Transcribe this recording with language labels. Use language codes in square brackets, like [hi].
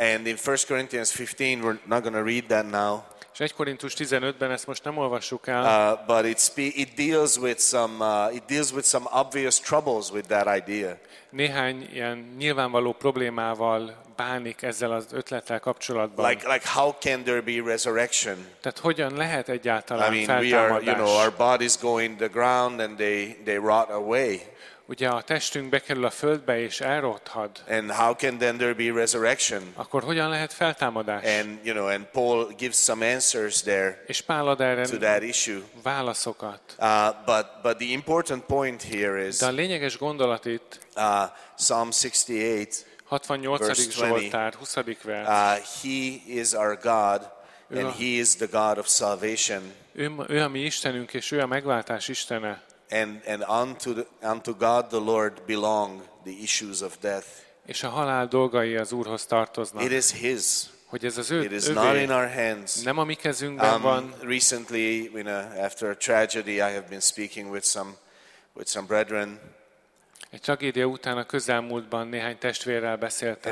[en] And in 1 Corinthians 15, we're not going to read that now. [hu] És 1 Korintus 15-ben ezt most nem olvassuk el. [en] But it deals with some obvious troubles with that idea. [hu] Néhány ilyen nyilvánvaló problémával bánik ezzel az ötlettel kapcsolatban. [en] Like how can there be resurrection? [hu] Tehát hogyan lehet egyáltalán feltámadás? [en] We are, you know, our bodies go in the ground and they rot away. [hu] Ugye a testünk bekerül a földbe és elrothad. [en] And how can then there be resurrection? [hu] Akkor hogyan lehet feltámadás? [en] And you know, and Paul gives some answers there. [hu] És Pál ad erre [en] to that issue. [hu] Válaszokat. [en] But the important point here is. [hu] De a lényeges gondolat itt. [en] Psalm 68. [hu] 68. Zsoltár, 20. vers. [en] He is our God, and He is the God of salvation. [hu] Ő a mi Istenünk, és ő a megváltás Istene. [en] And unto God the Lord belong the issues of death. [hu] És a halál dolgai az Úrhoz tartoznak. [en] It is His. [hu] Hogy ez az ő, [en] it is not in our hands. [hu] Nem a mi kezünkben van. [en] Recently, after a tragedy, I have been speaking with some brethren. [hu] Egy tragédia után a közelmúltban néhány testvérrel beszéltem.